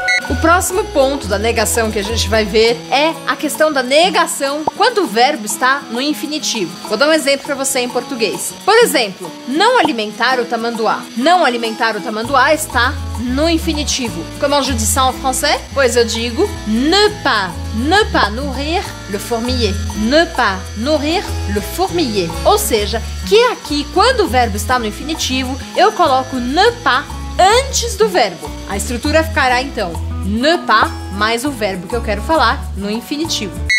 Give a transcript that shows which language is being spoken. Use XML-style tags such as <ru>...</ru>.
<pt>O próximo ponto da negação que a gente vai ver é a questão da negação quando o verbo está no infinitivo. Vou dar um exemplo para você em português. Por exemplo, não alimentar o tamanduá. Não alimentar o tamanduá está no infinitivo.</pt> <fr>Comment je dis ça en français?</fr> <pt>Pois eu digo</pt> <fr>ne pas nourrir le fourmilier. Ne pas nourrir le fourmilier.</fr> <pt>Ou seja, que aqui, quando o verbo está no infinitivo, eu coloco ne pas antes do verbo. A estrutura ficará então ne pas mais o verbo que eu quero falar no infinitivo.</pt>